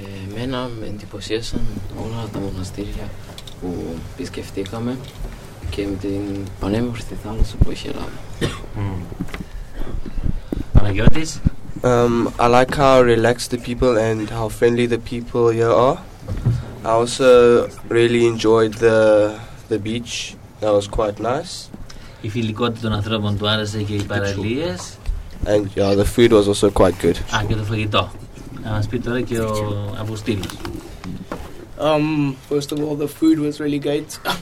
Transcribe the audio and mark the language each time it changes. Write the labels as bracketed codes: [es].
[el] Εμένα με εντυπωσίασαν όλα τα μοναστήρια που επισκεφτήκαμε και με την πανέμορφη θάλασσα που είχε λάβει. Παναγιώτης. [en] I like how relaxed the people and how friendly the people here are. I also really enjoyed the beach. That was quite nice. [el] Η φιλικότητα των ανθρώπων του άρεσε και οι παραλίες. [en] And yeah, the food was also quite good. [el] Α, και το φαγητό. Να μας πει τώρα και ο Αυγουστίνος. [en] First of all, the food was really great.